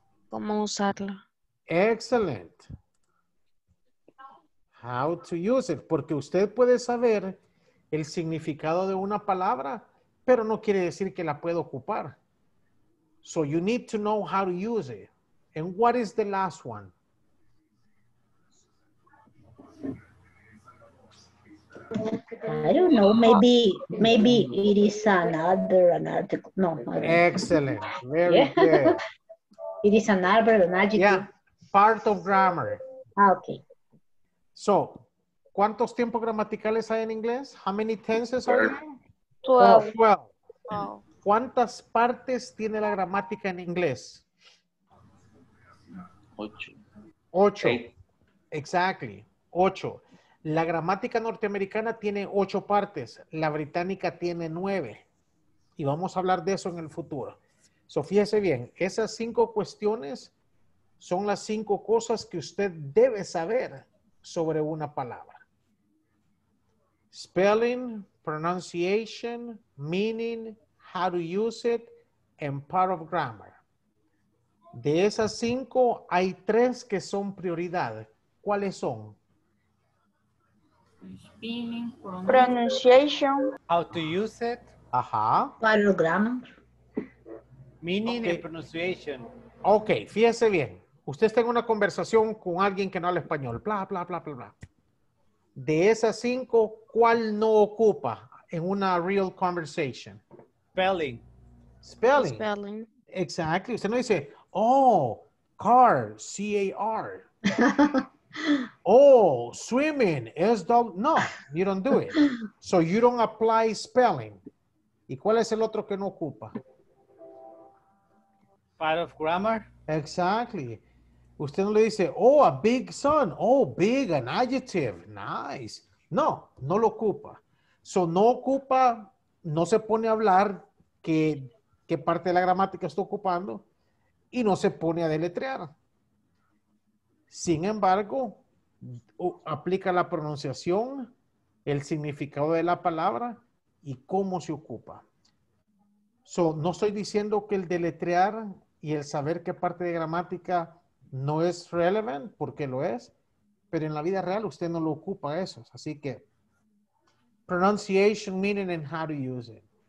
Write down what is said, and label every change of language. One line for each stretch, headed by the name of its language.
Spanish: ¿Cómo usarla?
English: Excellent. How to use it?
Spanish: Porque usted puede saber el significado de una palabra, pero no quiere decir que la pueda ocupar.
English: So you need to know how to use it. And what is the last one? I don't know, maybe it is an article. No, excellent. Very good. It is an adverb, an adjective. Yeah, part of grammar. Okay.
Spanish: So, ¿cuántos tiempos gramaticales hay en inglés?
English: How many tenses are there? 12. Oh, 12. Oh.
Spanish: ¿Cuántas partes tiene la gramática en inglés?
English: 8. 8. Eight. Exactly. 8.
Spanish: La gramática norteamericana tiene 8 partes, la británica tiene 9. Y vamos a hablar de eso en el futuro. So, fíjese bien, esas 5 cuestiones son las 5 cosas que usted debe saber sobre una palabra.
English: Spelling, pronunciation, meaning, how to use it, and part of grammar.
Spanish: De esas 5, hay 3 que son prioridad. ¿Cuáles son?
English: Pronunciation. How to use it.
Spanish: Ajá.
English: Meaning okay. And pronunciation.
Spanish: Ok, fíjese bien. Usted está en una conversación con alguien que no habla español. Bla, bla, bla, bla, bla. De esas 5, ¿cuál no ocupa en una
English: real conversation? Spelling. Spelling. Spelling. Exactly.
Spanish: Usted no dice, oh, car, C-A-R.
English: Oh, swimming, S-W, no, you don't do it. So you don't apply spelling.
Spanish: ¿Y cuál es el otro que no ocupa?
English: Part of grammar. Exactly.
Spanish: Usted no le dice,
English: oh, a big sun, oh, big, an adjective, nice.
Spanish: No, no lo ocupa. So no ocupa, no se pone a hablar qué parte de la gramática está ocupando y no se pone a deletrear. Sin embargo, aplica la pronunciación, el significado de la palabra y cómo se ocupa. So, no estoy diciendo que el deletrear y el saber qué parte de gramática no es relevant, porque lo es, pero en la vida real usted no lo ocupa eso. Así que,
English: pronunciation, meaning, and how to use it.